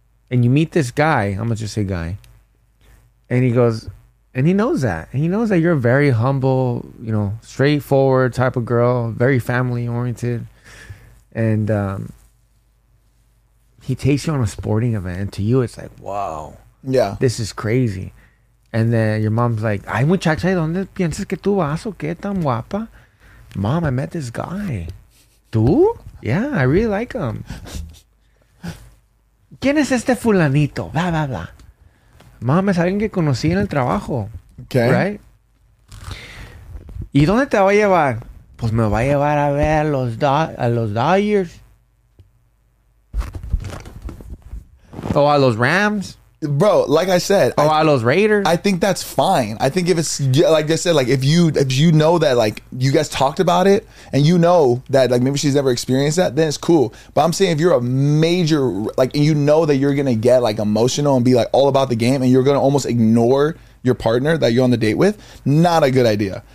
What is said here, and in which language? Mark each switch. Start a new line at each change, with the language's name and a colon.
English: And you meet this guy, I'm going to just say guy, and he goes, and he knows that. And he knows that you're a very humble, you know, straightforward type of girl, very family oriented. And he takes you on a sporting event. And to you, it's like, wow. Yeah. This is crazy. And then your mom's like,
Spanish: ay, muchacha, ¿dónde piensas que tú vas o qué tan guapa?
English: Mom, I met this guy.
Spanish: ¿Tú?
English: Yeah, I really like him.
Spanish: ¿Quién es este fulanito? Blah, blah, blah. Mom, es alguien que conocí en el trabajo.
English: Okay.
Spanish: Right? ¿Y dónde te va a llevar? Pues me va a llevar a ver a los Dodgers. Oh, a los Rams.
English: bro, like I said, oh, all those Raiders. I think that's fine. I think if it's like I said, like if you know that, like you guys talked about it, and you know that, like maybe she's never experienced that, then it's cool. But I'm saying if you're a major, like, and you know that you're gonna get like emotional and be like all about the game, and you're gonna almost ignore your partner that you're on the date with, not a good idea.